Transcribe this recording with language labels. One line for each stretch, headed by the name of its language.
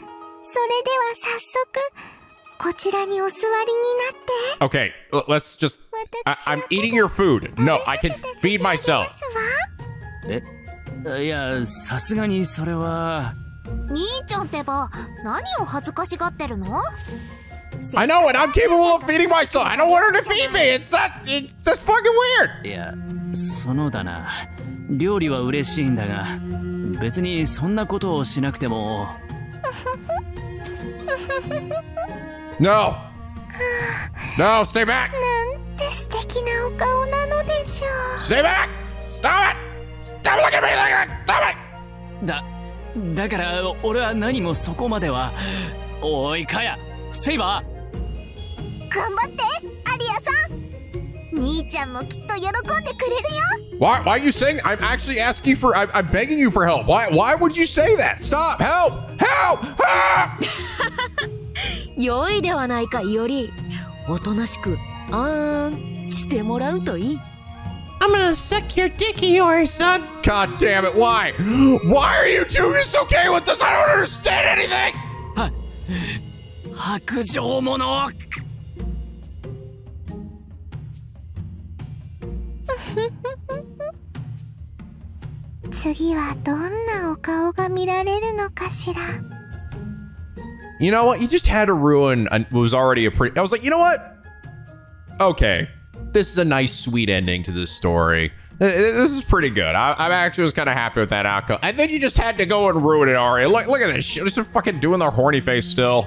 Japanese: さ、それでは早速こちらにお座りになって。
English: Okay, let's just. I'm eating your food. No, I can feed myself.
Japanese: え、いや、さすがにそれは。兄ちゃんってば、何を恥ずかしがってるの？
English: I know, and I'm capable of feeding myself. I don't want her to feed me. It's just fucking weird.
Japanese: Yeah, そのだな。料理は嬉しいんだが、別にそんなことをしなくても。
English: No. No, stay back.
Japanese: なんて素敵なお顔なのでしょう。
English: Stay back. Stop it. Stop looking at me like that. Stop it.
Japanese: だから俺は何もそこまでは。おい、カヤ。セイバー、頑張って、アリアさん。兄ちゃんもきっと喜んでくれるよ。
English: Why are you saying? I'm actually asking for, I'm begging you for help. Why would you say that? Stop! Help! Help! Help!
Japanese: 良いではないか、イオリ。おとなしく、あーん、してもらうといい。
English: I'm gonna suck your dick, Iori son. God damn it, why? Why are you two just okay with this? I don't understand anything!
Japanese: 白状者。次はどんなお顔が見られるのかしら。
English: You know what? You just had to ruin what was already a pretty... I was like, you know what? Okay. This is a nice, sweet ending to this story. This is pretty good. I'm actually was kind of happy with that outcome. And then you just had to go and ruin it, Arya. Look at this. She's just fucking doing their horny face still.